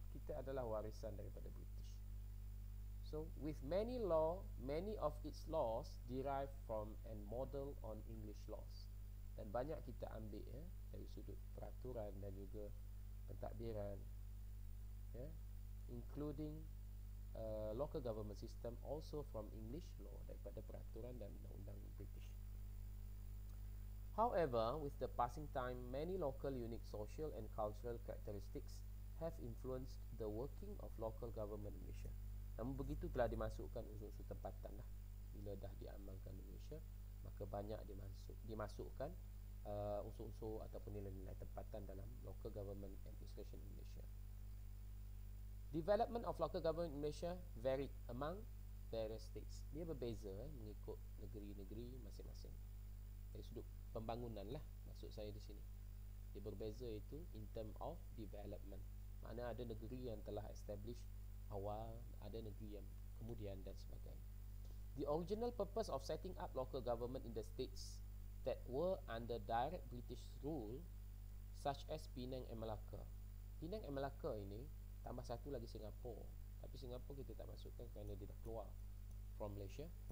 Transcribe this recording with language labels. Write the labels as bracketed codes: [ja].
[ms] Kita adalah warisan daripada British. [en] So, with many law, many of its laws derived from and model on English laws. [ms] Dan banyak kita ambil ya, dari sudut peraturan dan juga pentadbiran. [en] Ya, including local government system also from English law, [ms] daripada peraturan dan undang-undang British. [en] However, with the passing time, many local unique social and cultural characteristics have influenced the working of local government in Malaysia. [ms] Namun begitu telah dimasukkan unsur-unsur tempatan lah. Bila dah diamalkan di Malaysia, maka banyak dimasukkan unsur-unsur ataupun nilai-nilai tempatan dalam [en] local government administration in Malaysia. Development of local government in Malaysia varied among various states. [ms] Dia berbeza mengikut negeri-negeri masing-masing. Dari sudut pembangunan lah, maksud saya di sini. Dia berbeza itu [en] in term of development. [ms] Mana ada negeri yang telah establish awal, ada negeri yang kemudian dan sebagainya. [en] The original purpose of setting up local government in the states that were under direct British rule, such as Penang and Malacca. [ms] Penang and Malacca ini, tambah satu lagi Singapura. Tapi Singapura kita tak masukkan kerana dia dah keluar from Malaysia.